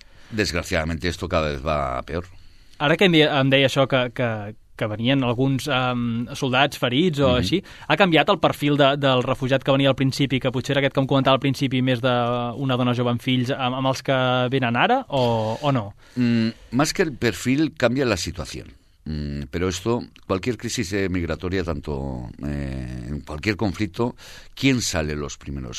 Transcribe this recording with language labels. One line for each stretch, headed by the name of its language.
Spanish: Desgraciadamente esto cada vez va peor.
Catalan: Ahora que em deia això que venien alguns soldats ferits o així, ha canviat el perfil del refugiat que venia al principi, que potser era aquest que em comentava al principi, més d'una dona jove amb fills, amb els que venen ara o no?
Spanish: Más que el perfil, cambia la situación. Pero esto, cualquier crisis migratoria, tanto en cualquier conflicto, ¿quién sale los primeros?